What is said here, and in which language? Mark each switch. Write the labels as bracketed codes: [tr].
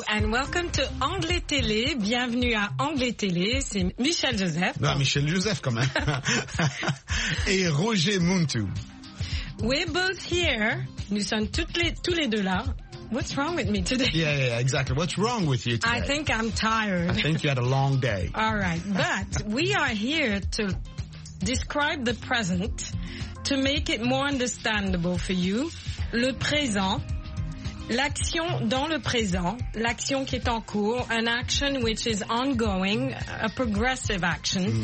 [en] Welcome to Anglais Télé. [fr] Bienvenue à Anglais Télé. C'est Michel Joseph. Non, Michel Joseph quand même. Et Roger Muntu. [en] We're both here. [fr] Nous sommes tous les deux là. [en] What's wrong with me today? Yeah, exactly. What's wrong with you today? I think I'm tired. I think you had a long day. All right. But we are here to describe the present, to make it more understandable for you. [fr] Le présent. L'action dans le présent, l'action qui est en cours, [en] an action which is ongoing, a progressive action.